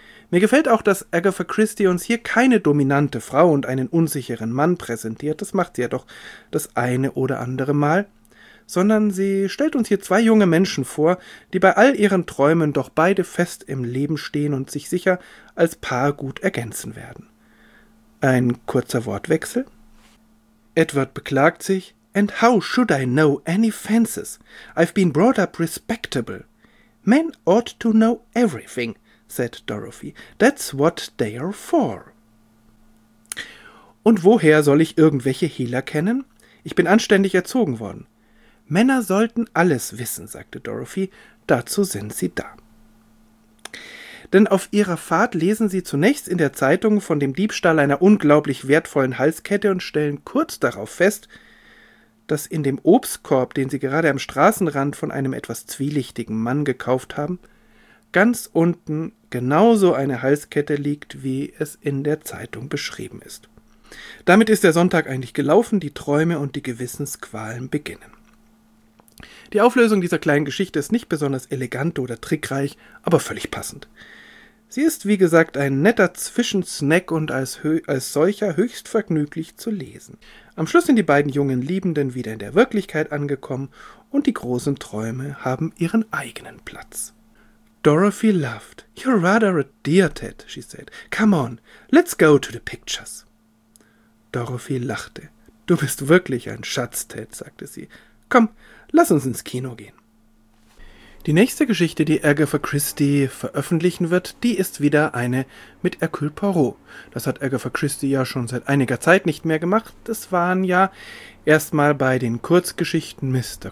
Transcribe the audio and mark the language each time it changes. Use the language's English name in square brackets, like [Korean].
[German] Mir gefällt auch, dass Agatha Christie uns hier keine dominante Frau und einen unsicheren Mann präsentiert, das macht sie ja doch das eine oder andere Mal, sondern sie stellt uns hier zwei junge Menschen vor, die bei all ihren Träumen doch beide fest im Leben stehen und sich sicher als Paar gut ergänzen werden. Ein kurzer Wortwechsel. Edward beklagt sich, [English] "And how should I know any fences? I've been brought up respectable. Men ought to know everything," said Dorothy. That's what they are for. [German] Und woher soll ich irgendwelche Hehler kennen? Ich bin anständig erzogen worden. Männer sollten alles wissen, sagte Dorothy. Dazu sind sie da. Denn auf ihrer Fahrt lesen sie zunächst in der Zeitung von dem Diebstahl einer unglaublich wertvollen Halskette und stellen kurz darauf fest, dass in dem Obstkorb, den sie gerade am Straßenrand von einem etwas zwielichtigen Mann gekauft haben, ganz unten genauso eine Halskette liegt, wie es in der Zeitung beschrieben ist. Damit ist der Sonntag eigentlich gelaufen, die Träume und die Gewissensqualen beginnen. Die Auflösung dieser kleinen Geschichte ist nicht besonders elegant oder trickreich, aber völlig passend. Sie ist, wie gesagt, ein netter Zwischensnack und als solcher höchst vergnüglich zu lesen. Am Schluss sind die beiden jungen Liebenden wieder in der Wirklichkeit angekommen und die großen Träume haben ihren eigenen Platz. [English] Dorothy laughed. "You're rather a dear, Ted," she said. "Come on, let's go to the pictures." [German] Dorothy lachte. "Du bist wirklich ein Schatz, Ted," sagte sie. "Komm, lass uns ins Kino gehen." Die nächste Geschichte, die Agatha Christie veröffentlichen wird, die ist wieder eine mit Hercule Poirot. Das hat Agatha Christie ja schon seit einiger Zeit nicht mehr gemacht. Das waren ja erstmal bei den Kurzgeschichten Mr.